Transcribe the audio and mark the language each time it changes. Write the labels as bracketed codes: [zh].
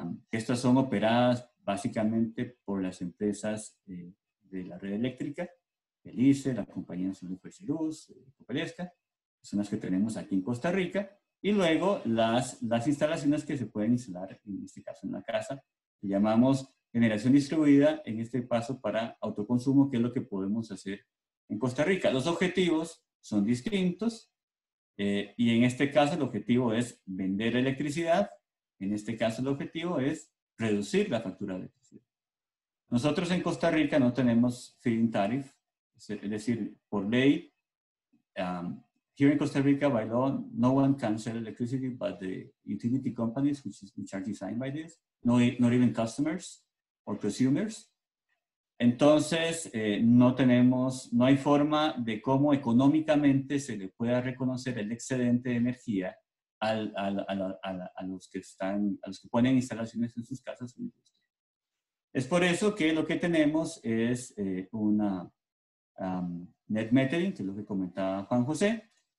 [es] Estas son operadas básicamente por las empresas de la red eléctrica, el ICE, la Compañía Nacional de Fuerza y Luz, Copelesca, son las que tenemos aquí en Costa Rica, y luego las instalaciones que se pueden instalar, en este caso en la casa, que llamamos generación distribuida, en este paso para autoconsumo, que es lo que podemos hacer en Costa Rica. Los objetivos son distintos, y en este caso el objetivo es vender electricidad, en este caso el objetivo es reducir la factura de electricidad. Nosotros en Costa Rica no tenemos feed-in tariff, es decir, por ley, [en] here in Costa Rica, by law, no one can sell electricity but the utility companies, which are designed by this, not even customers or consumers. [es] Entonces, no hay forma de cómo económicamente se le pueda reconocer el excedente de energía a los que ponen instalaciones en sus casas. Es por eso que lo que tenemos es net metering, que es lo que comentaba Juan José.